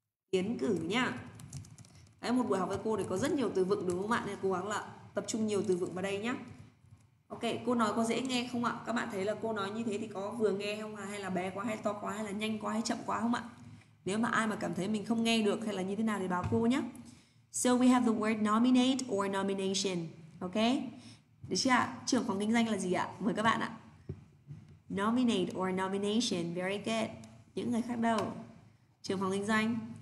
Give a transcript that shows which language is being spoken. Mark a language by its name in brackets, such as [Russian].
[Vietnamese] Tiến cử nha. Đấy, một buổi học với cô thì có rất nhiều từ vựng đúng không ạ? Nên cố gắng là tập trung nhiều từ vựng vào đây nhé. Ok, cô nói có dễ nghe không ạ? Các bạn thấy là cô nói như thế thì có vừa nghe không ạ? Hay là bé quá, hay to quá, hay là nhanh quá, hay chậm quá không ạ? Nếu mà ai mà cảm thấy mình không nghe được hay là như thế nào thì báo cô nhé. [English] So we have the word nominate or nomination. [Vietnamese] Ok, được chưa ạ? Trưởng phòng kinh doanh là gì ạ? Mời các bạn ạ. [English] Nominate or nomination, very good. [Vietnamese] Những người khác đâu? Trưởng phòng kinh doanh.